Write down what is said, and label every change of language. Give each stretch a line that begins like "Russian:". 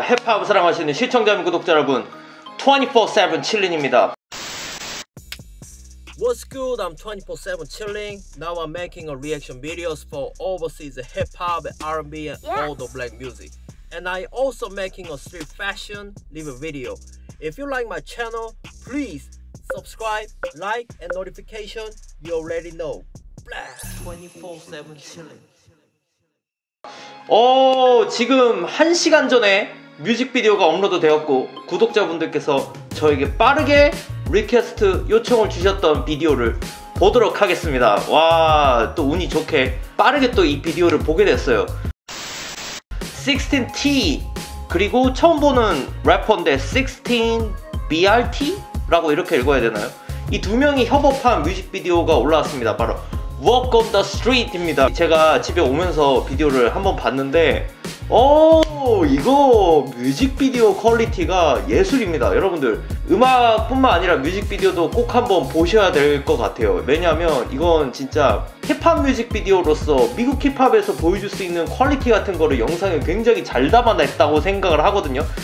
Korean: 힙합 사랑하시는 시청자 및 구독자 여러분, 24/7 chilling입니다.
English: What's good? I'm 24/7 chilling. Now I'm making a reaction videos for overseas hip hop, R&B, and all the black music. And I also making a street fashion live video. If you like my channel, please subscribe, like, and notification. You already know. Blast. 24/7 chilling.
Korean: 지금 1시간 전에 뮤직비디오가 업로드 되었고 구독자분들께서 저에게 빠르게 리퀘스트 요청을 주셨던 비디오를 보도록 하겠습니다. 와, 또 운이 좋게 빠르게 또 이 비디오를 보게 됐어요. 16T 그리고 처음 보는 래퍼인데 16BRT? 라고 이렇게 읽어야 되나요? 이 두 명이 협업한 뮤직비디오가 올라왔습니다. 바로 Walk on the street 입니다. 제가 집에 오면서 비디오를 한번 봤는데 이거 뮤직비디오 퀄리티가 예술입니다. 여러분들 음악뿐만 아니라 뮤직비디오도 꼭 한번 보셔야 될 것 같아요. 왜냐하면 이건 진짜 힙합 뮤직비디오로서 미국 힙합에서 보여줄 수 있는 퀄리티 같은 거를 영상에 굉장히 잘 담아냈다고 생각을 하거든요.